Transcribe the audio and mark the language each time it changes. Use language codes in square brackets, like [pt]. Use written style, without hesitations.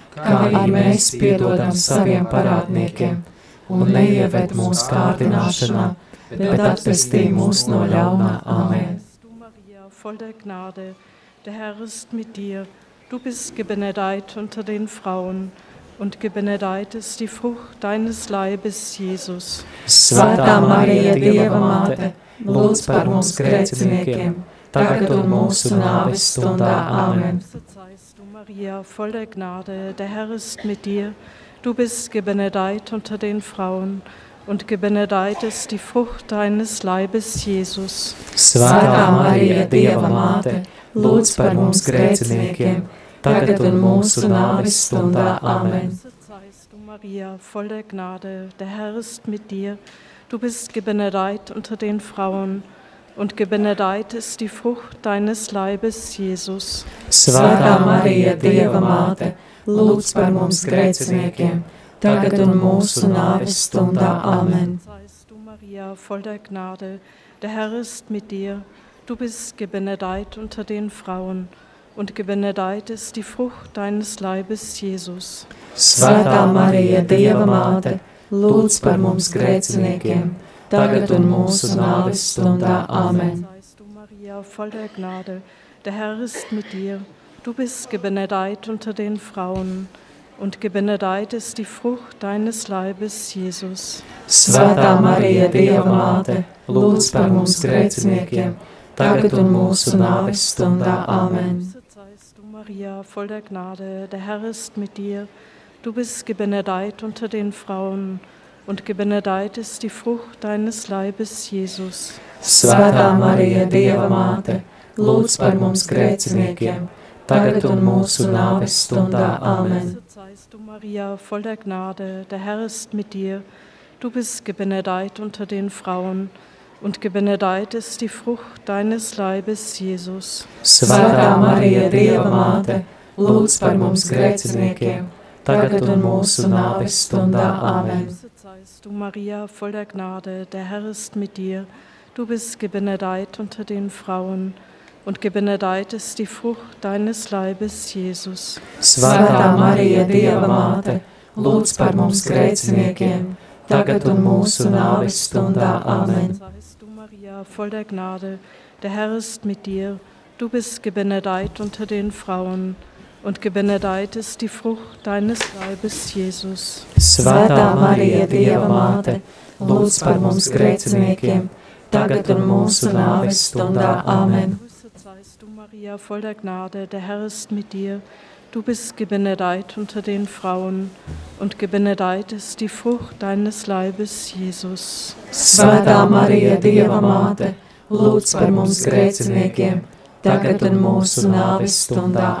[lv] kā arī mēs piedodam saviem parādniekiem, un neieved mūsu kārdināšanā, bet atpestī mūs no ļaunā. Amen. [de] Du Maria, voll der Gnade, der Herr ist mit dir. Du bist gebenedeit unter den Frauen, und gebenedeit ist die Frucht deines Leibes, Jesus. [lv] Svētā Marija, Dieva Māte, lūdz par mums grēciniekiem, tagad un mūsu nāves stundā. Amen. [de] Du Maria, voll der Gnade, der Herr ist mit dir. Du bist gebenedeit unter den Frauen, und gebenedeit ist die Frucht deines Leibes, Jesus. [lv] Svētā Marija, Dieva Māte, lūdz par mums grēciniekiem, tagad un mūsu nāves stundā. Amen. [de] Du Maria, voll der Gnade, der Herr ist mit dir. Du bist gebenedeit unter den Frauen, und gebenedeit ist die Frucht deines Leibes, Jesus. [lv] Svētā Marija, Dieva Māte, lūdz par mums grēciniekiem, tagad un mūsu nāves stundā. Amen. [de] Du Maria, voll der Gnade, der Herr ist mit dir. Du bist gebenedeit unter den Frauen, und gebenedeit ist die Frucht deines Leibes, Jesus. [lv] Svētā Marija, Dieva Māte, lūdz par mums grēciniekiem, tagad un mūsu nāves stundā. Amen. [de] Du Maria, voll der Gnade, der Herr ist mit dir. Du bist gebenedeit unter den Frauen, und gebenedeit ist die Frucht deines Leibes, Jesus. [lv] Svētā Marija, Dieva Māte, lūdz par mums grēciniekiem, tagad un mūsu nāves stundā. Amen. [de] Du Maria, voll der Gnade, der Herr ist mit dir. Du bist gebenedeit unter den Frauen, und gebenedeit ist die Frucht deines Leibes, Jesus. [lv] Svētā Marija, Dieva Māte, lūdz par mums grēciniekiem, tagad un mūsu nāves stundā. Amen. [de] Du Maria, voll der Gnade, der Herr ist mit dir. Du bist gebenedeit unter den Frauen, und gebenedeit ist die Frucht deines Leibes, Jesus. [lv] Svētā Marija, Dieva Māte, lūdz par mums grēciniekiem, tagad un mūsu nāves stundā. Amen. [de] Du Maria, voll der Gnade, der Herr ist mit dir. Du bist gebenedeit unter den Frauen, und gebenedeit ist die Frucht deines Leibes, Jesus. [lv] Svētā Marija, Dieva Māte, lūdz par mums grēciniekiem, tagad un mūsu nāves stundā. Amen. [de] Du Maria, voll der Gnade, der Herr ist mit dir. Du bist gebenedeit unter den Frauen, und gebenedeit ist die Frucht deines Leibes, Jesus. [lv] Svētā Marija, Dieva Māte, lūdz par mums grēciniekiem, tagad un mūsu nāves stundā. Amen. [de] Du Maria, voll der Gnade, der Herr ist mit dir. Du bist gebenedeit unter den Frauen, und gebenedeit ist die Frucht deines Leibes, Jesus. [lv] Svētā Marija, Dieva Māte, lūdz par mums grēciniekiem, tagad un mūsu nāves stundā.